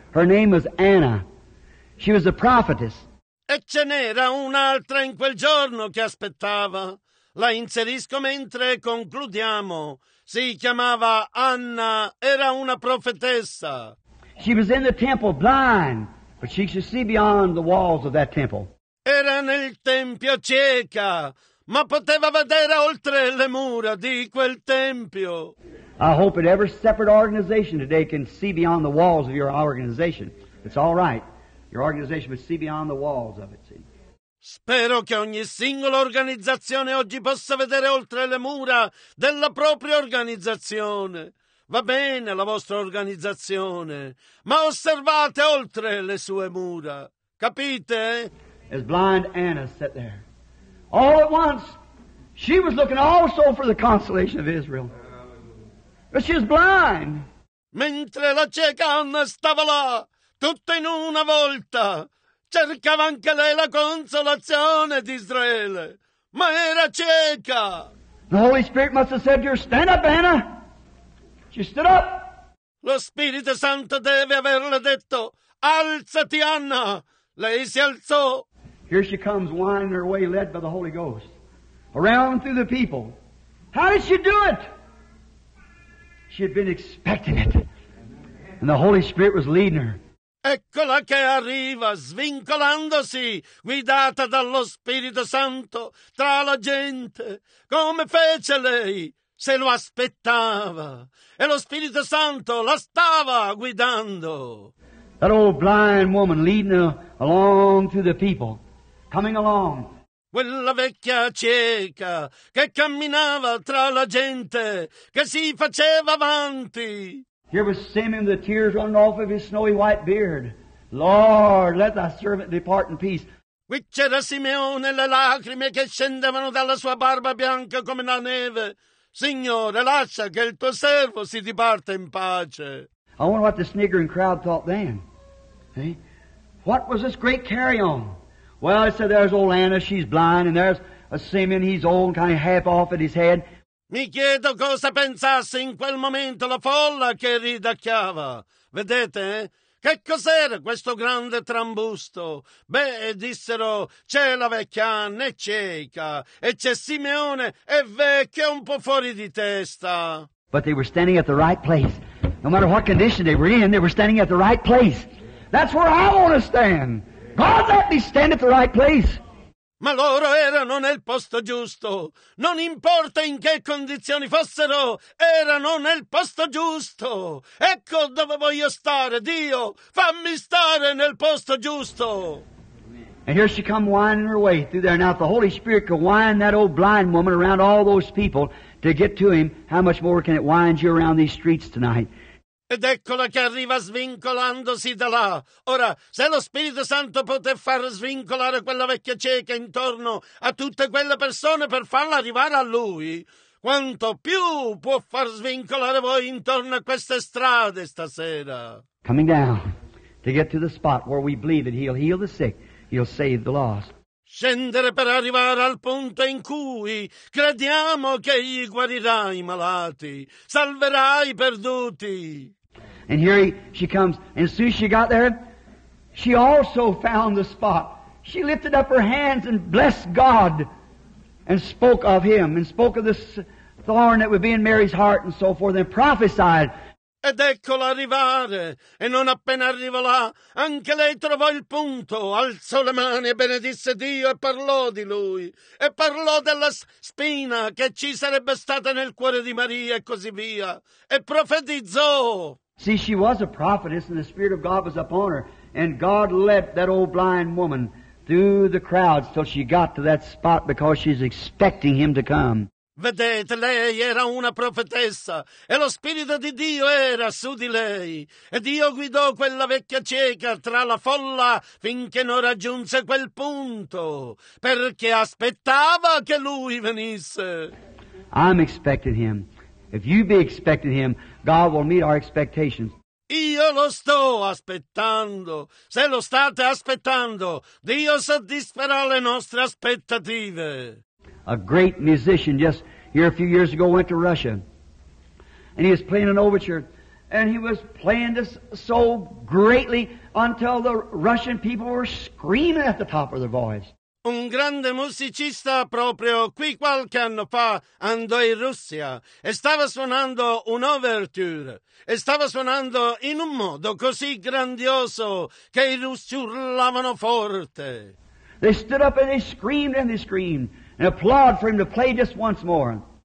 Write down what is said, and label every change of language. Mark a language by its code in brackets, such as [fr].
[en] Her name was Anna. She was a prophetess. [it] E ce n'era un'altra in quel giorno che aspettava. La inserisco mentre concludiamo. Si chiamava Anna. Era una profetessa. [en] She was in the temple blind, but she could see beyond the walls of that temple. [it] Era nel tempio cieca, ma poteva vedere oltre le mura di quel tempio. [en] I hope that every separate organization today can see beyond the walls of your organization. It's all right. Your organization must see beyond the walls of it, see. [it] Spero che ogni singola organizzazione oggi possa vedere oltre le mura della propria organizzazione. Va bene la vostra organizzazione, ma osservate oltre le sue mura. Capite? [en] As blind Anna sat there. All at once, she was looking also for the consolation of Israel. But she's blind. [it] Mentre la cieca Anna stava là, tutta in una volta, cercava anche lei la consolazione di Israele, ma era cieca. [en] The Holy Spirit must have said to her, stand up, Anna. She stood up. [it] Lo Spirito Santo deve averle detto, alzati, Anna. Lei si alzò. [en] Here she comes, winding her way, led by the Holy Ghost, around through the people. How did she do it? She had been expecting it. And the Holy Spirit was leading her. [it] Eccola che arriva, svincolandosi, guidata dallo Spirito Santo, tra la gente. Come fece lei? Se lo aspettava. E lo Spirito Santo la stava guidando. [en] That old blind woman leading her along to the people, coming along. [it] Quella vecchia cieca che camminava tra la gente, che si faceva avanti. [en] Here was Simeon, the tears running off of his snowy white beard. Lord, let thy servant depart in peace. [it] Qui c'era Simeone, le lacrime che scendevano dalla sua barba bianca come la neve. Signore, lascia che il tuo servo si diparta in pace. [en] I wonder what the sniggering crowd thought then. Eh? What was this great carry-on? Well, I said, there's old Anna, she's blind, and there's a Simeon, he's old, kind of half off at his head. [it] Mi chiedo cosa pensasse in quel momento la folla che ridacchiava. Vedete, che cos'era questo grande trambusto? Beh, dissero, c'è la vecchia Anna, è cieca, e c'è Simeone, è vecchio, un po' fuori di testa. [en] But they were standing at the right place. No matter what condition they were in, they were standing at the right place. That's where I want to stand. God, let me stand at the right place. [it] Ma loro erano nel posto giusto. Non importa in che condizioni fossero, erano nel posto giusto. Ecco dove voglio stare, Dio. Fammi stare nel posto giusto. [en] And here she come winding her way through there. Now, if the Holy Spirit could wind that old blind woman around all those people to get to him, how much more can it wind you around these streets tonight? [it] Ed eccola che arriva svincolandosi da là. Ora, se lo Spirito Santo poté far svincolare quella vecchia cieca intorno a tutte quelle persone per farla arrivare a lui, quanto più può far svincolare voi intorno a queste strade stasera? [en] Coming down to get to the spot where we believe that he'll heal the sick, he'll save the lost. [it] Scendere per arrivare al punto in cui crediamo che egli guarirà i malati, salverà i perduti. [en] And here she comes, and as soon as she got there, she also found the spot. She lifted up her hands and blessed God and spoke of him and spoke of this thorn that would be in Mary's heart and so forth and prophesied. [it] Ed eccola arrivare, e non appena arrivò là, anche lei trovò il punto, alzò le mani e benedisse Dio e parlò di lui, e parlò della spina che ci sarebbe stata nel cuore di Maria e così via, e profetizzò. [en] See, she was a prophetess and the Spirit of God was upon her, and God led that old blind woman through the crowds till she got to that spot because she's expecting him to come. [it] Vedete, lei era una profetessa e lo Spirito di Dio era su di lei. E Dio guidò quella vecchia cieca tra la folla finché non raggiunse quel punto, perché aspettava che lui venisse. [en] I'm expecting him. If you be expecting him, God will meet our expectations. [it] Io lo sto aspettando. Se lo state aspettando, Dio soddisferà le nostre aspettative. [en] A great musician just here a few years ago went to Russia, and he was playing an overture, and he was playing this so greatly until the Russian people were screaming at the top of their voice. [it] Un grande musicista proprio qui qualche anno fa andò in Russia e stava suonando un overture, e stava suonando in un modo così grandioso che i russi urlavano forte. [en] They stood up and they screamed, and applaud for him to play just once more.